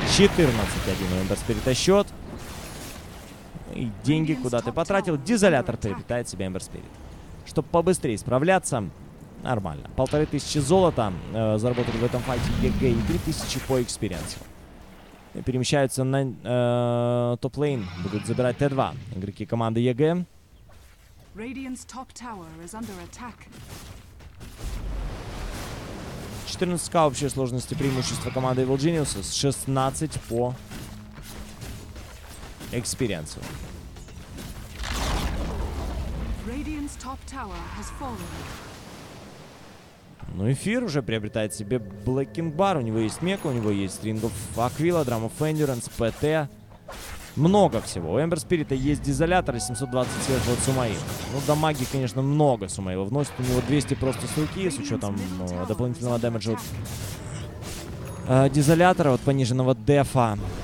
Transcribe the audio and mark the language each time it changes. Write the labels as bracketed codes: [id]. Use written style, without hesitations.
[ru] 14-1 у Эмбер Спирита счет. И деньги куда ты потратил. Дизолятор прилетает себе Эмбер Спирит. Чтобы побыстрее справляться, нормально. 1500 золота заработали в этом файте ЕГЭ и 3000 по экспириенсу. Перемещаются на топ-лейн. Будут забирать Т2. Игроки команды ЕГЭ. [en] Radiant's top tower is under attack. [ru] 14k общей сложности преимущества команды Evil Geniuses. 16 по экспириенсу. [en] Radiant's top tower has fallen. [ru] Ну, эфир уже приобретает себе Блэкинг Бар. У него есть Мека, у него есть Ring of Aquila, Drum of Endurance, ПТ. Много всего. У Эмбер Спирита есть дизолятор и 720 сверху от Сумаила. Ну, дамаги, конечно, много Сумаила вносит. У него 200 просто с руки, с учетом дополнительного дэмэджа от дизолятора, от пониженного дефа.